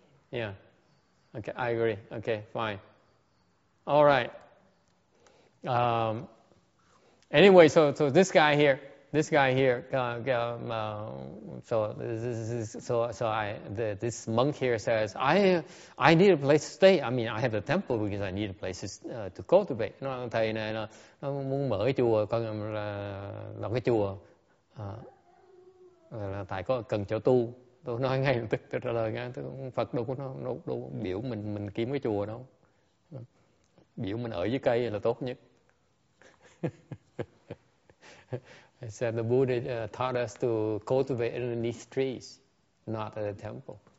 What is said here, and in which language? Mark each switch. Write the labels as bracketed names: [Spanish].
[English] Yeah. Okay, I agree. Okay, fine. All right. Anyway, so this guy here, this monk here says, I need a place to stay. I mean, I have a temple because I need a place to cultivate. [Vietnamese] No, thầy này nó muốn mở cái chùa, con là cái chùa, là tại có cần chỗ tu. Tôi nói ngay lập tức, tôi trả lời ngay, Phật đâu có nó biểu mình kiếm cái chùa đâu, biểu mình ở dưới cây là tốt nhất. [English] I said the Buddha taught us to cultivate underneath trees, not at a temple.